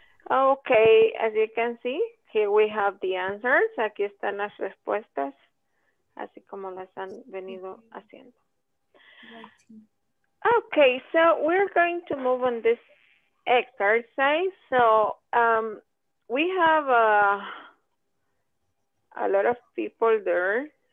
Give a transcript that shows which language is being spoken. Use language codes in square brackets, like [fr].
[en] Okay, as you can see, here we have the answers. [es] Aquí están las respuestas, así como las han venido haciendo. [en] Okay, so we're going to move on this exercise. So we have a lot of people there.